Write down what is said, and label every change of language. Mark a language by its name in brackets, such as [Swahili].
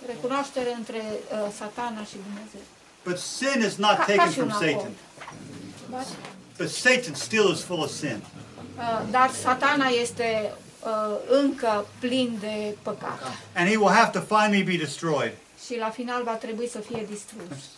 [Romanian] Recunoaștere între Satana și Dumnezeu. [English] But sin is not taken from Satan. But Satan still is full of sin. [Romanian] Dar Satana este încă plin de păcat. [English] And he will have to finally be destroyed. [Romanian] Și la final va trebui să fie distrus.